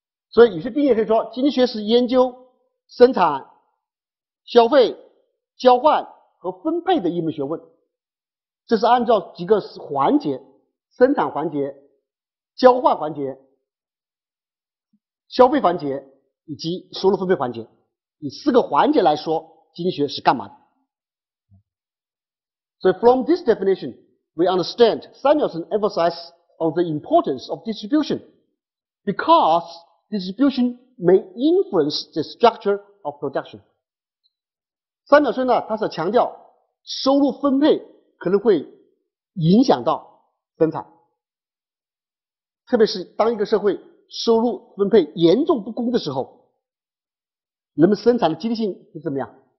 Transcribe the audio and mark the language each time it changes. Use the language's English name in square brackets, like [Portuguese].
[Chinese] 所以有些定义可以说经济学是研究生产、消费、交换和分配的一门学问。这是按照几个环节，生产环节、交换环节、消费环节以及收入分配环节，以四个环节来说经济学是干嘛的。 [English] So from this definition, we understand Samuelson emphasizes on the importance of distribution, because distribution may influence the structure of production. [Chinese] Samuelson 呢，他是强调收入分配可能会影响到生产，特别是当一个社会收入分配严重不公的时候，人们生产的积极性是怎么样？